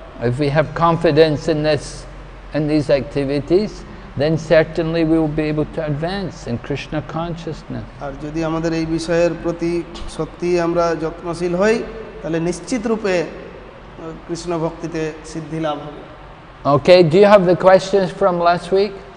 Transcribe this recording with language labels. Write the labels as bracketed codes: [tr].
[en] If we have confidence in this, and these activities, then certainly we will be able to advance in Krishna consciousness. [bn] আর যদি আমাদের এই বিষয়ের প্রতি সত্যি আমরা যত্নশীল হই তাহলে নিশ্চিত রূপে কৃষ্ণ ভক্তিতে সিদ্ধি লাভ হবে। [en] Okay, do you have the questions from last week?